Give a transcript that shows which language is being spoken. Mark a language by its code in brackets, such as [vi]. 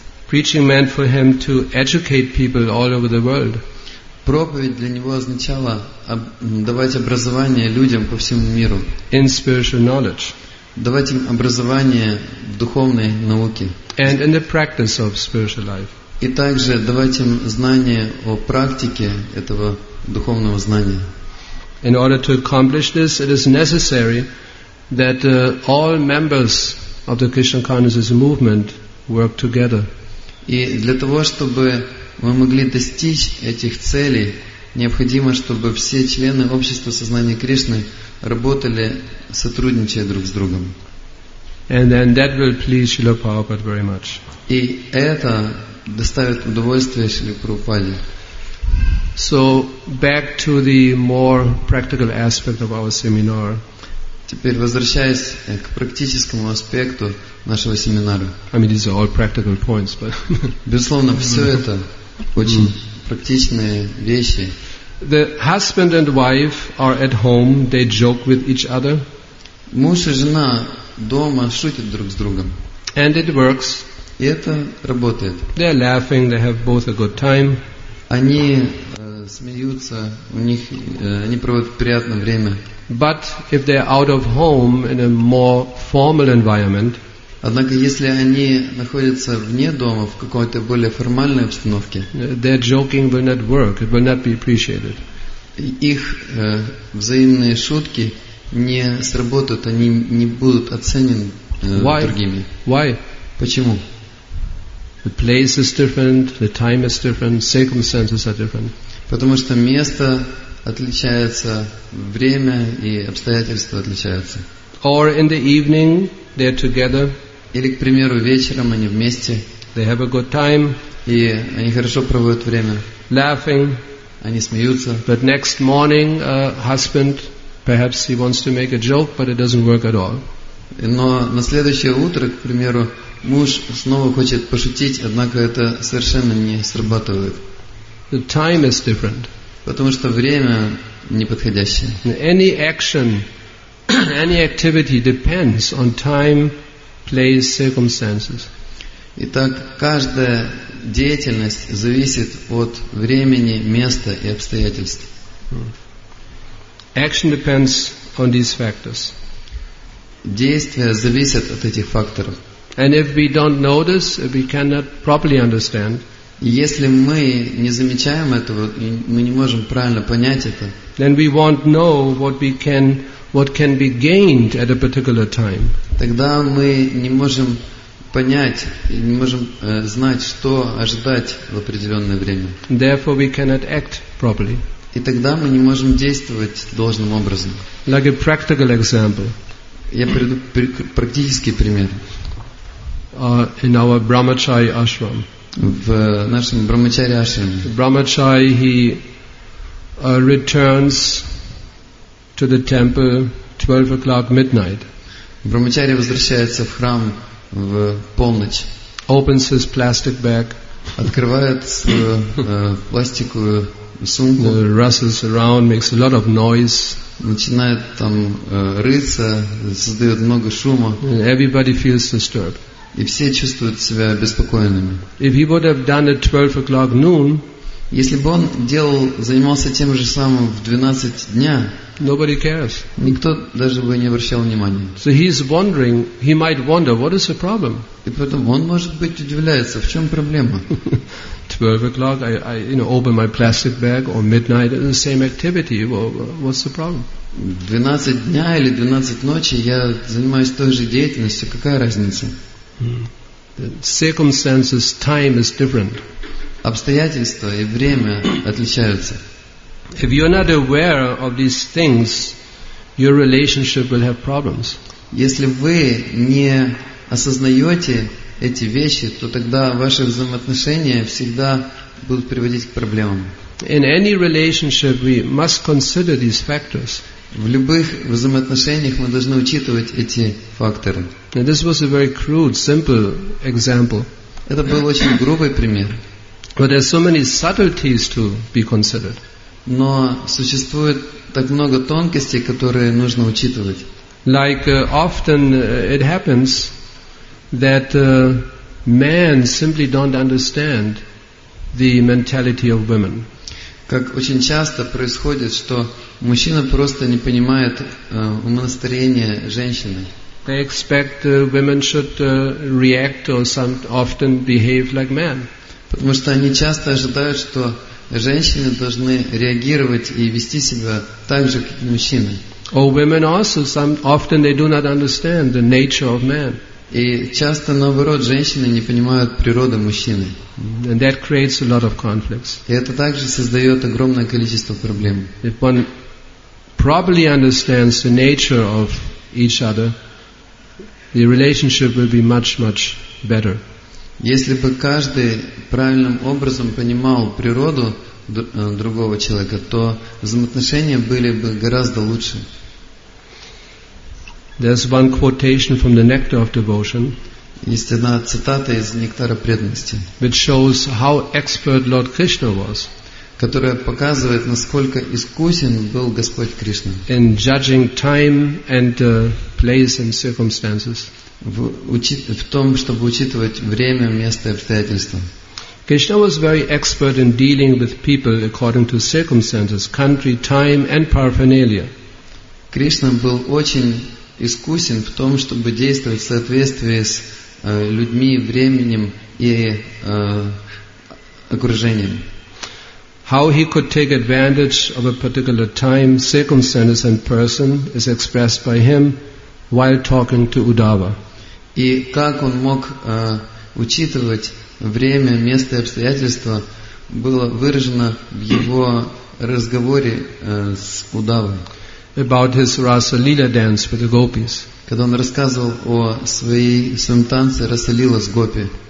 [en] Preaching meant for him to educate people all over the world. [ru] Проповедь для него означала давать образование людям по всему миру. [en] In spiritual knowledge. [ru] Давать им образование в духовной науке. [en] And in the practice of spiritual life. [ru] И также давать им знания о практике этого духовного знания. [en] In order to accomplish this, it is necessary that all members of the Krishna consciousness movement work together. [ru] И для того, чтобы мы могли достичь этих целей, необходимо, чтобы все члены общества сознания Кришны работали, сотрудничая друг с другом. [en] And then that will please Srila Prabhupada very much. [ru] И это доставит удовольствие Шриле Прабхупаде. [en] So back to the more practical aspect of our seminar. [ru] Теперь возвращаясь к практическому аспекту нашего семинара. [en] I mean, these are all practical points, but [ru] безусловно, все это очень практичные вещи. [en] The husband and wife are at home, they joke with each other. [ru] Муж и жена дома шутят друг с другом. [en] And it works. [ru] И это работает. [en] They are laughing, they have both a good time. [ru] Они смеются, у них они проводят приятное время. [en] But if they are out of home in a more formal environment, [ru] однако если они находятся вне дома в какой-то более формальной обстановке, [en] their joking will not work, it will not be appreciated. [ru] Их взаимные шутки не сработают, они не будут оценены другими. [en] Why? [ru] Почему? [en] The place is different, the time is different, circumstances are different. [ru] Потому что место отличается, время и обстоятельства отличаются. [en] Or in the evening they're together. [ru] Или, к примеру, вечером они вместе. [en] They have a good time. [ru] И они хорошо проводят время. [en] Laughing. [ru] Они смеются. [en] But next morning, husband, perhaps he wants to make a joke, but it doesn't work at all. [ru] Но на следующее утро, к примеру, муж снова хочет пошутить, однако это совершенно не срабатывает. [en] The time is different. [ru] Потому что время неподходящее. [en] Any action, any activity depends on time, place, circumstances. [ru] Итак, каждая деятельность зависит от времени, места и обстоятельств. [en] Action depends on these factors. [ru] Действия зависят от этих факторов. [en] And if we don't know this, we cannot properly understand. [ru] Если мы не замечаем этого, мы не можем правильно понять это. [en] Then we won't know what can be gained at a particular time. [ru] Тогда мы не можем понять, не можем знать, что ожидать в определенное время. [en] Therefore we cannot act properly. [ru] И тогда мы не можем действовать должным образом. [en] Like a practical example. [ru] Я приведу практический пример. [en] In our Brahmachari ashram. [ru] В нашем Брахмачари ашраме. [en] Brahmachari, he returns to the temple 12 o'clock midnight. [ru] Брахмачари возвращается в храм в полночь. [en] Opens his plastic bag. [ru] Открывает свою пластиковую сумку. [en] Rustles around, makes a lot of noise. [ru] Начинает там рыться, создает много шума. [en] Everybody feels disturbed. [ru] И все чувствуют себя беспокоенными. [en] If he would have done it 12 o'clock noon, [ru] если бы он делал, занимался тем же самым в 12 дня, [en] nobody cares. [ru] Никто даже бы не обращал внимания. [en] So he is wondering, he might wonder, what is the problem? [ru] И поэтому он, может быть, удивляется, в чем проблема? [en] 12 o'clock, I you know, open my plastic bag, or midnight, it's the same activity. What's the problem? [ru] 12 дня или 12 ночи я занимаюсь той же деятельностью, какая разница? [en] The circumstances, time is different. [ru] Обстоятельства и время отличаются. [en] If you're not aware of these things, your relationship will have problems. [ru] Если вы не осознаете эти вещи, то тогда ваши взаимоотношения всегда будут приводить к проблемам. [en] In any relationship, we must consider these factors. [ru] В любых взаимоотношениях мы должны учитывать эти факторы. [en] And this was a very crude, simple example. [ru] Это был очень грубый пример. [en] But there are so many subtleties to be considered. [ru] Но существует так много тонкостей, которые нужно учитывать. [en] Like often it happens that men simply don't understand the mentality of women. [ru] Как очень часто происходит, что мужчина просто не понимает умонастроение женщины. [en] They expect women should react or some often behave like men. [ru] Потому что они часто ожидают, что женщины должны реагировать и вести себя так же, как и мужчины. [en] Or women also, often they do not understand the nature of man. [ru] И часто, наоборот, женщины не понимают природы мужчины. [en] And that creates a lot of conflicts. [ru] И это также создает огромное количество проблем. [en] If one properly understands the nature of each other, the relationship will be much, much better. [ru] Если бы каждый правильным образом понимал природу другого человека, то взаимоотношения были бы гораздо лучше. [en] There's one quotation from the Nectar of Devotion. [ru] Есть одна цитата из Нектара преданности, [en] which shows how expert Lord Krishna was, [ru] которая показывает, насколько искусен был Господь Кришна [en] in judging time and place and circumstances. [ru] В том, чтобы учитывать время, место и обстоятельства. [en] Krishna was very expert in dealing with people according to circumstances, country, time and paraphernalia. [ru] Кришна был очень искусен в том, чтобы действовать в соответствии с людьми, временем и окружением. [en] How he could take advantage of a particular time, circumstances and person is expressed by him while talking to Uddhava. [ru] И как он мог учитывать время, место и обстоятельства, было выражено в его разговоре с Удавой. [en] About his Rasa Lila dance with the gopis. [ru] Когда он рассказывал о своем танце Раса Лила с гопи.